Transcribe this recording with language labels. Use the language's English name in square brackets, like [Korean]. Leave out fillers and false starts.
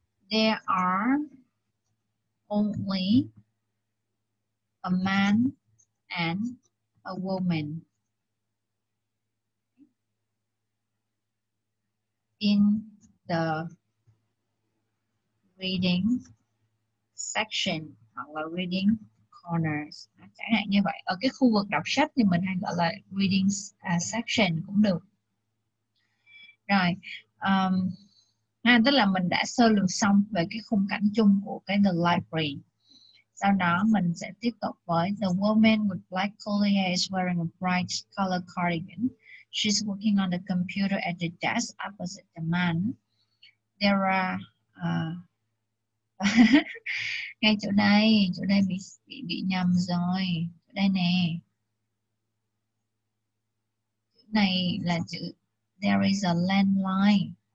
[English] There are only a man and a woman in the reading section, [Vietnamese] hoặc là [English] reading corners. [Vietnamese] Chẳng hạn như vậy. Ở cái khu vực đọc sách thì mình hay gọi là reading section cũng được. Rồi. Tức là mình đã sơ lược xong về cái khung cảnh chung của cái the library. Sau đó mình sẽ tiếp tục với [English] the woman with black curly hair is wearing a bright color cardigan. She's working on the computer at the desk opposite the man. There are [Vietnamese] ngay chỗ đây bị nhầm rồi. Chỗ đây nè. Chỗ này là chữ [English] there is a landline.